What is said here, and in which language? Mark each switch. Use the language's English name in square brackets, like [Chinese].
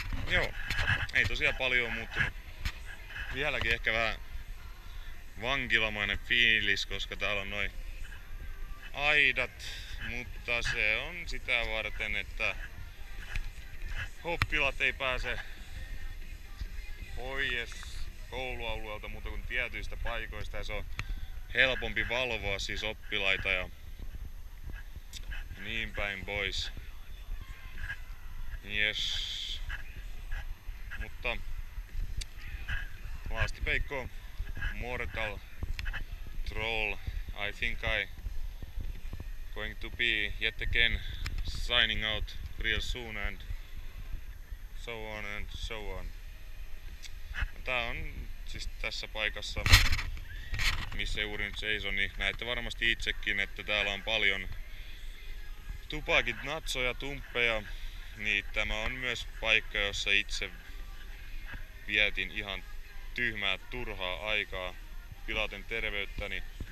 [Finnish] Joo, ei tosiaan paljon on muuttunut. Vieläkin ehkä vähän vankilamainen fiilis, koska täällä on noi aidat, mutta se on sitä varten, että oppilaat ei pääse pois koulualueelta muuta kuin tietyistä paikoista ja se on helpompi valvoa siis oppilaita ja niin päin pois. [English] Yes. Mutta Lastipeikko, Mortal Troll, I think I going to be yet again signing out real soon and so on and so on. [Finnish] Tää on siis tässä paikassa, missä juuri nyt seison, niin näette varmasti itsekin, että täällä on paljon tupakit, natsoja, tumppeja, niin tämä on myös paikka, jossa itse vietin ihan tyhmää, turhaa aikaa pilaten terveyttäni.